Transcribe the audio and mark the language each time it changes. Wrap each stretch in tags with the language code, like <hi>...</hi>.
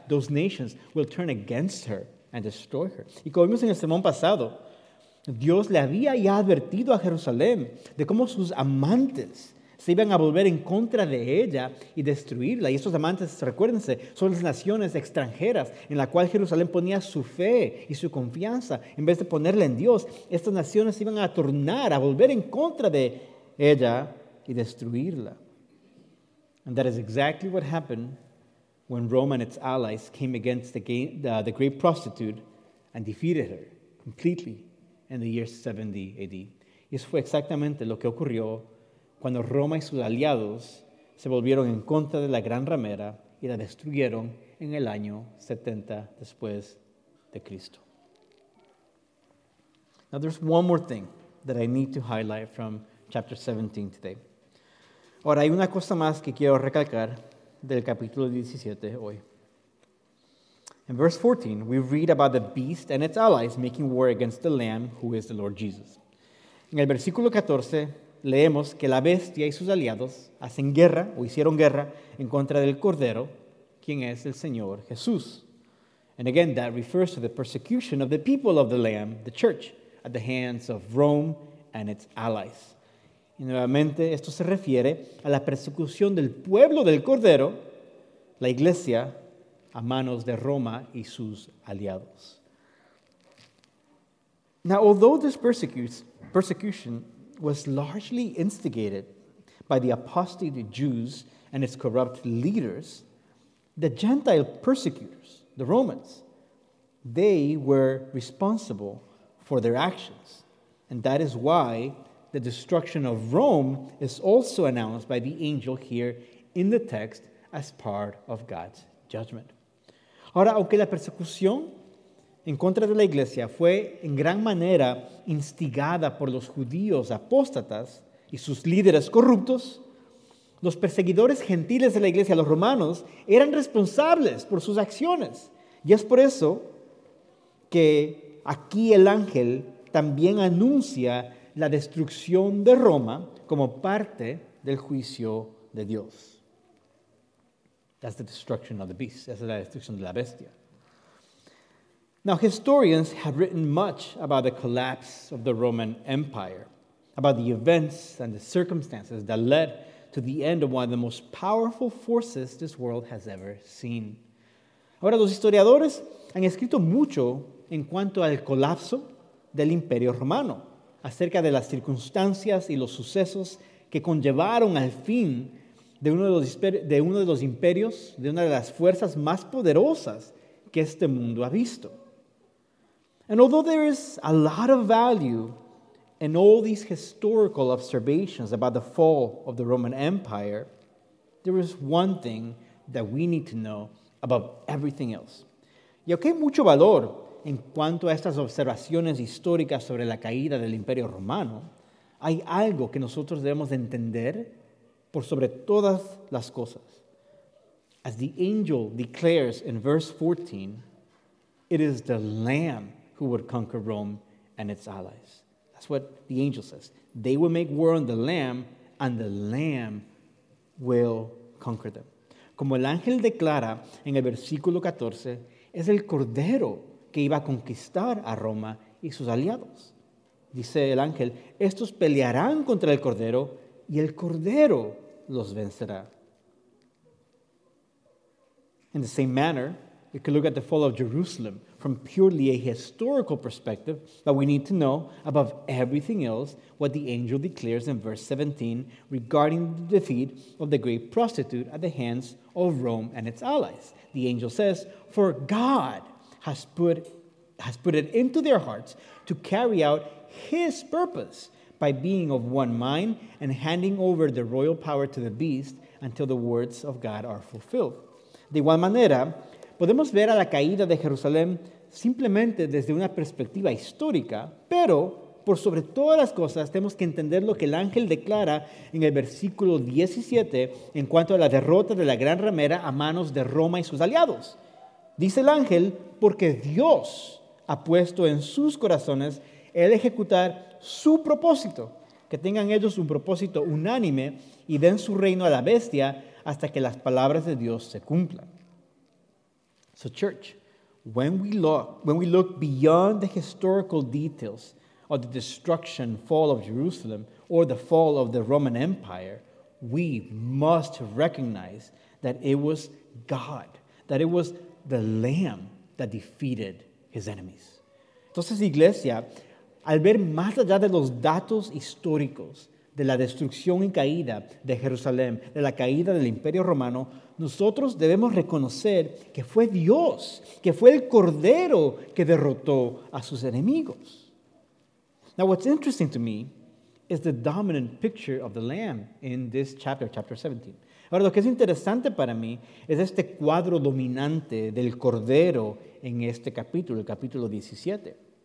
<en>Those nations will turn against her and destroy her.</en> <es>Y como vimos en el sermón pasado, Dios le había ya advertido a Jerusalén de cómo sus amantes se iban a volver en contra de ella y destruirla. Y estos amantes, recuérdense, son las naciones extranjeras en la cual Jerusalén ponía su fe y su confianza. En vez de ponerla en Dios, estas naciones se iban a tornar, a volver en contra de ella y destruirla.</es> <en>And that is exactly what happened when Rome and its allies came against the great prostitute and defeated her completely in the year 70 AD.</en> <es>Y eso fue exactamente lo que ocurrió cuando Roma y sus aliados se volvieron en contra de la gran ramera y la destruyeron en el año 70 después de Cristo.</es> <en>Now there's one more thing that I need to highlight from chapter 17 today.</en> <es>Ahora hay una cosa más que quiero recalcar del capítulo 17 hoy.</es> <en>In verse 14, we read about the beast and its allies making war against the Lamb, who is the Lord Jesus.</en> <es>En el versículo 14, leemos que la bestia y sus aliados hacen guerra o hicieron guerra en contra del Cordero, quien es el Señor Jesús.</es> <en>And again, that refers to the persecution of the people of the Lamb, the church, at the hands of Rome and its allies.</en> <es>Y nuevamente, esto se refiere a la persecución del pueblo del Cordero, la iglesia, a manos de Roma y sus aliados.</es> <en>Now, although this persecution was largely instigated by the apostate Jews and its corrupt leaders, the Gentile persecutors, the Romans, they were responsible for their actions. And that is why the destruction of Rome is also announced by the angel here in the text as part of God's judgment.</en> <es>Ahora, aunque la persecución en contra de la iglesia fue en gran manera instigada por los judíos apóstatas y sus líderes corruptos, los perseguidores gentiles de la iglesia, los romanos, eran responsables por sus acciones. Y es por eso que aquí el ángel también anuncia la destrucción de Roma como parte del juicio de Dios.</es> <en>That's the destruction of the beast. That's the destruction of</en> <es>la bestia.</es> <en>Now, historians have written much about the collapse of the Roman Empire, about the events and the circumstances that led to the end of one of the most powerful forces this world has ever seen.</en> <es>Ahora, los historiadores han escrito mucho en cuanto al colapso del Imperio Romano, acerca de las circunstancias y los sucesos que conllevaron al fin de uno de los imperios, de una de las fuerzas más poderosas que este mundo ha visto.</es> <en>And although there is a lot of value in all these historical observations about the fall of the Roman Empire, there is one thing that we need to know above everything else.</en> <es>Y aunque hay mucho valor en cuanto a estas observaciones históricas sobre la caída del Imperio Romano, hay algo que nosotros debemos de entender por sobre todas las cosas.</es> <en>As the angel declares in verse 14, it is the Lamb who would conquer Rome and its allies. That's what the angel says. They will make war on the Lamb, and the Lamb will conquer them.</en> <es>Como el ángel declara en el versículo 14, es el Cordero que iba a conquistar a Roma y sus aliados. Dice el ángel, estos pelearán contra el Cordero, y el Cordero los vencerá.</es> <en>In the same manner, you can look at the fall of Jerusalem from purely a historical perspective, but we need to know, above everything else, what the angel declares in verse 17 regarding the defeat of the great prostitute at the hands of Rome and its allies. The angel says, "For God has put it into their hearts to carry out his purpose, by being of one mind and handing over the royal power to the beast until the words of God are fulfilled."</en> <es>De igual manera, Podemos ver a la caída de Jerusalén simplemente desde una perspectiva histórica, pero por sobre todas las cosas tenemos que entender lo que el ángel declara en el versículo 17 en cuanto a la derrota de la gran ramera a manos de Roma y sus aliados. Dice el ángel, porque Dios ha puesto en sus corazones el ejecutar su propósito, que tengan ellos un propósito unánime y den su reino a la bestia hasta que las palabras de Dios se cumplan.</es> <en>So church, when we look beyond the historical details of the destruction, fall of Jerusalem, or the fall of the Roman Empire, we must recognize that it was God, that it was the Lamb that defeated his enemies.</en> <es>Entonces, iglesia, al ver más allá de los datos históricos de la destrucción y caída de Jerusalén, de la caída del Imperio Romano, nosotros debemos reconocer que fue Dios, que fue el Cordero que derrotó a sus enemigos.</es> <en>Now, what's interesting to me is the dominant picture of the Lamb in this chapter, chapter 17.</en> <es>Ahora, lo que es interesante para mí es este cuadro dominante del Cordero en este capítulo, el capítulo 17.</es>